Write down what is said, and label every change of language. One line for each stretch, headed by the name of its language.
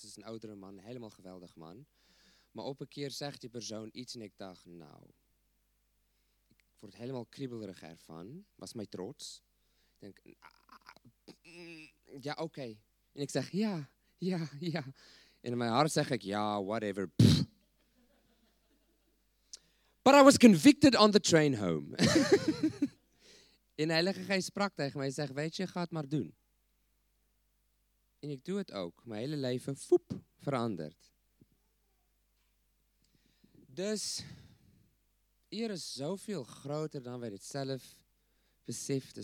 Dutch: Dat is een oudere man, een helemaal geweldig man. Maar op een keer zegt die persoon iets en ik dacht, nou, ik word helemaal kriebelerig ervan. Was mij trots. Ik denk, ja, oké. Okay. En ik zeg, ja, ja, ja. En in mijn hart zeg ik, ja, whatever. Pff.
English: But I was convicted on the train home.
Dutch: En de Heilige Geest sprak tegen mij en zegt, weet je, ga het maar doen. En ik doe het ook. Mijn hele leven, voep, verandert. Dus, hier is zoveel groter dan wij dit zelf beseften.